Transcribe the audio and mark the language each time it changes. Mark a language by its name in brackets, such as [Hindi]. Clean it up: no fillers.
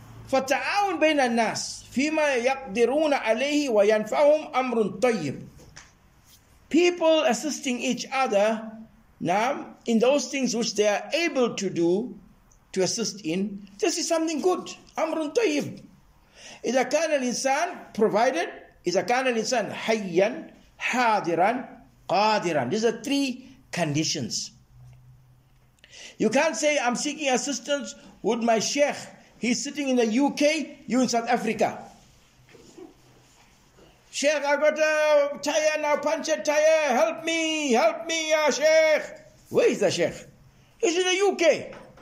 [Arabic] فَتَعَاوَنْ بَيْنَ النَّاسِ فِيمَا يَقْدِرُونَ عَلَيْهِ وَيَنْفَعُهُمْ أَمْرٌ طَيِّبٌ. [English] People assisting each other, naam, in those things which they are able to do, to assist in, this is something good. [Arabic] أَمْرٌ طَيِّبٌ. إِذَا كَانَ الْإِنسَانِ [English] provided, [Arabic] إِذَا كَانَ الْإِنسَانِ حَيًّا حَادِرًا قَادِرًا. [English] These are three conditions. You can't say, I'm seeking assistance with my sheikh. He's sitting in the UK, you in South Africa. Sheikh, I've got a tire now, puncture tire. Help me, sheikh. Where is the sheikh? He's in the UK.